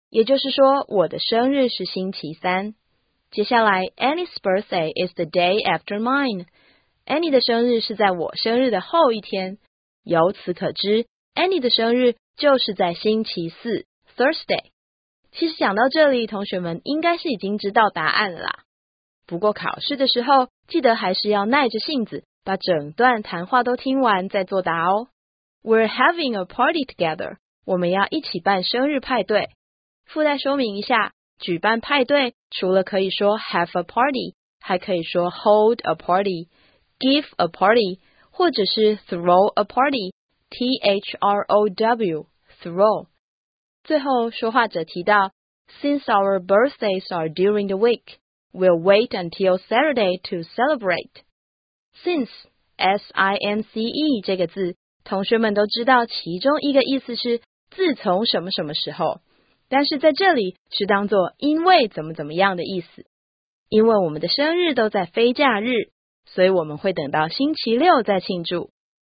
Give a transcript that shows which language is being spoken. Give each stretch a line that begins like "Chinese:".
Chinese: 也就是说我的生日是星期三。接下来
English: Annie's birthday is the day after mine.
Chinese: Annie 的生日是在我生日的后一天。由此可知 Annie 的生日就是在星期四 Thursday。其实想到这里，同学们应该是已经知道答案了啦。不过考试的时候，记得还是要耐着性子，把整段谈话都听完再作答哦。
English: We're having a party together.
Chinese: 我们要一起办生日派对。附带说明一下，举办派对除了可以说 have a party， 还可以说 hold a party， give a party， 或者是 throw a party， T-H-R-O-W， throw。最后说话者提到
English: Since our birthdays are during the week, we'll wait until Saturday to celebrate.
Chinese: Since, S-I-N-C-E 这个字，同学们都知道其中一个意思是自从什么什么时候，但是在这里是当作因为怎么怎么样的意思。因为我们的生日都在非假日，所以我们会等到星期六再庆祝。